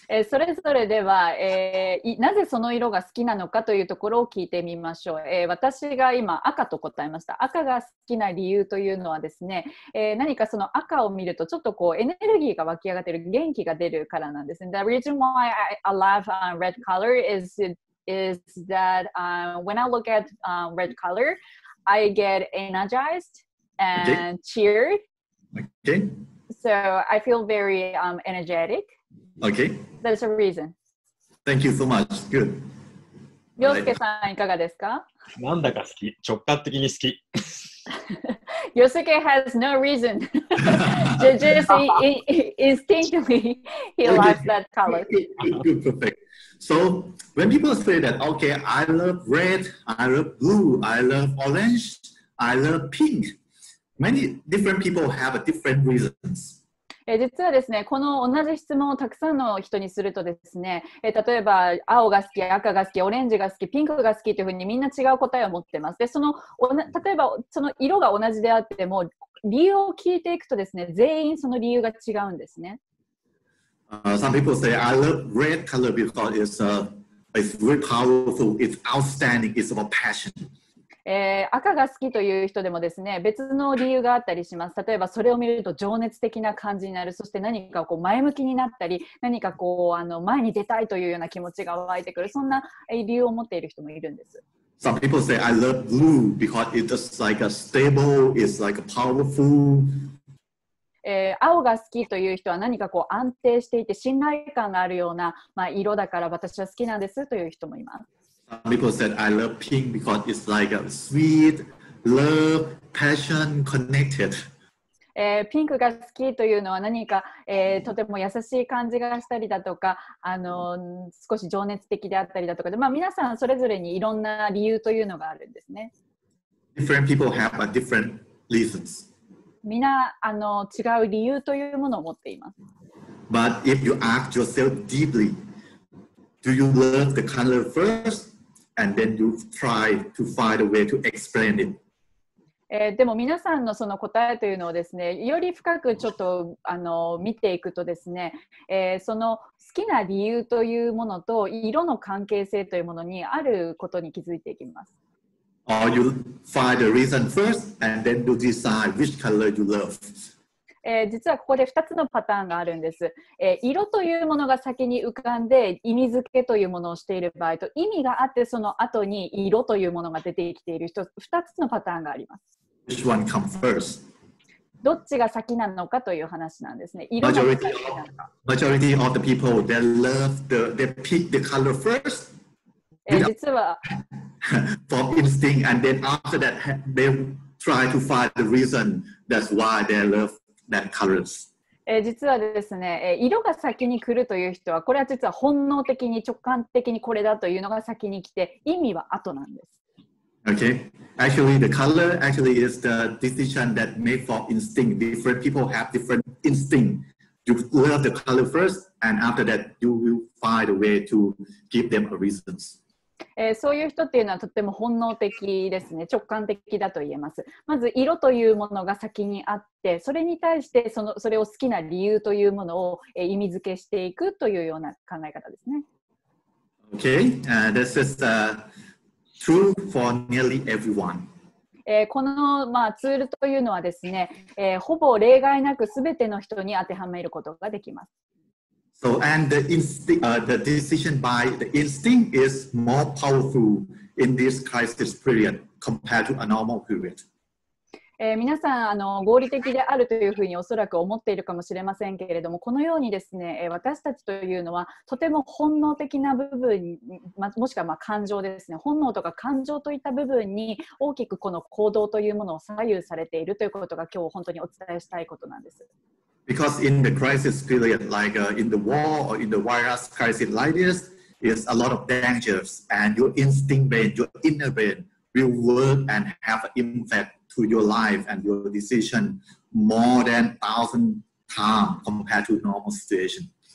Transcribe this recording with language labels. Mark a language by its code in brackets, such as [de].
[ja] それぞれでは、なぜその色が好きなのかというところを聞いてみましょう。私が今赤と答えました。赤が好きな理由というのはですね、何かその赤を見るとちょっとこうエネルギーが湧き上がっている、元気が出るからなんですね。 [en] The reason why I love red color is that when I look at red color, I get energized and cheered. Okay. So I feel very energetic. Okay. That's a reason. Thank you so much. Good. [ja] Yosuke-san, いかがですか? なんだか好き。直感的に好き。 [en] Yosuke has no reason. Just instinctively, he likes that color. Perfect. So when people say that, okay, I love red, I love blue, I love orange, I love pink, many different people have a different reasons. [ja] 実はですね、この同じ質問をたくさんの人にするとですね、例えば青が好き、赤が好き、オレンジが好き、ピンクが好きというふうにみんな違う答えを持ってます。で、その例えばその色が同じであっても理由を聞いていくとですね、全員その理由が違うんですね。 [en] Some people say I love red color because it's very powerful, it's outstanding, it's about passion. [ja] 赤が好きという人でもですね、別の理由があったりします。例えばそれを見ると情熱的な感じになる、そして何かこう前向きになったり、何かこう前に出たいというような気持ちが湧いてくる、そんな理由を持っている人もいるんです。 [en] Some people say I love blue because it's like a stable, it's like a powerful. [ja] 青が好きという人は何かこう安定していて信頼感があるような、まあ、色だから私は好きなんですという人もいます。 [en] Some people said I love pink because it's like a sweet love, passion connected. [ja] ピンクが好きというのは何か、とても優しい感じがしたりだとか、少し情熱的であったりだとかで、まあ、皆さんそれぞれにいろんな理由というのがあるんですね。 [en] Different people have a different reasons. [ja] みんな違う理由というものを持っています。 [en] But if you ask yourself deeply,Do you love the color first, and then you try to find a way to explain it? [ja] でも皆さんのその答えというのをですね、より深くちょっと見ていくとですね、その好きな理由というものと色の関係性というものにあることに気づいていきます。 [en] Or you find a reason first, and then you decide which color you love. [ja] 実はここで2つのパターンがあるんです、色というものが先に浮かんで意味付けというものをしている場合と意味があってその後に色というものが出てきている2つのパターンがあります。 [en] Which one comes first? [ja] どっちが先なのかという話なんですね。色が先なのか。 [en] Majority of the people they love the, they pick the color first、 [ja] 実は [en] from instinct and then after that they try to find the reason that's why they loveThat colors. [ja] 実はですね、色が先に来るという人は、これは実は本能的に直感的にこれだというのが先に来て、意味は後なんです。 [en] Okay. Actually, the color actually is the decision that made for instinct. Different people have different instinct. You love the color first, and after that, you will find a way to give them a reasons. [ja] そういう人っていうのはとても本能的ですね、直感的だと言えます。まず色というものが先にあって、それに対してそれを好きな理由というものを、意味付けしていくというような考え方ですね。 [en] Okay, this is true for nearly everyone. [ja] この、まあ、ツールというのはですね、ほぼ例外なく全ての人に当てはめることができます。 [en] So, and the, the decision by the instinct is more powerful in this crisis period compared to a normal period. [ja] 皆さん、合理的であるというふうにおそらく思っているかもしれませんけれども、このようにですね、私たちというのはとても本能的な部分、もしくはまあ感情ですね、本能とか感情といった部分に大きくこの行動というものを左右されているということが今日本当にお伝えしたいことなんです。 [en] Because in the crisis period, like in the war or in the virus crisis like this, it's a lot of dangers and your instinct brain, your inner brain will work and have an impact to your life and your decision more than 1,000 times compared to normal situation.